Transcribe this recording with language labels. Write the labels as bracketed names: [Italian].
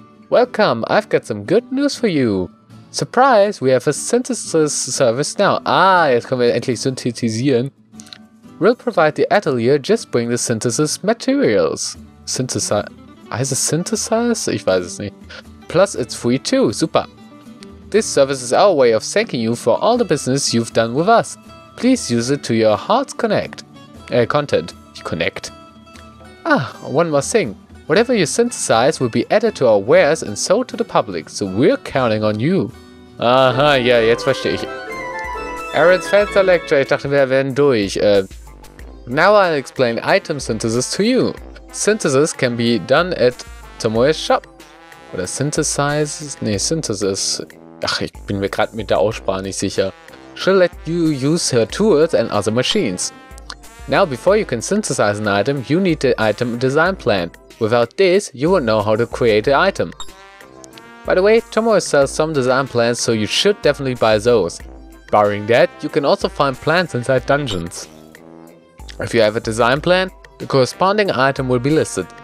[English] Welcome, I've got some good news for you. Surprise, we have a synthesis service now. [German] Ah, jetzt können wir endlich synthetisieren. [English] We'll provide the atelier, just bring the synthesis materials. Synthesize? Is it synthesize? [German] Ich weiß es nicht. [English] Plus, it's free too. Super. This service is our way of thanking you for all the business you've done with us. Please use it to your heart's connect. Content. Connect. Ah, one more thing. Whatever you synthesize will be added to our wares and sold to the public, so we're counting on you. [German] Aha, ja, jetzt verstehe ich. Aaron's Fenster Lecture. Ich dachte, wir wären durch. [English] Now I'll explain item synthesis to you. Synthesis can be done at Tomoe's shop. [German] Oder synthesize? Nee, synthesis. Ach, ich bin mir gerade mit der Aussprache nicht sicher. [English] She'll let you use her tools and other machines. Now, before you can synthesize an item, you need the item design plan. Without this, you won't know how to create an item. By the way, Tomoe sells some design plans, so you should definitely buy those. Barring that, you can also find plans inside dungeons. If you have a design plan, the corresponding item will be listed.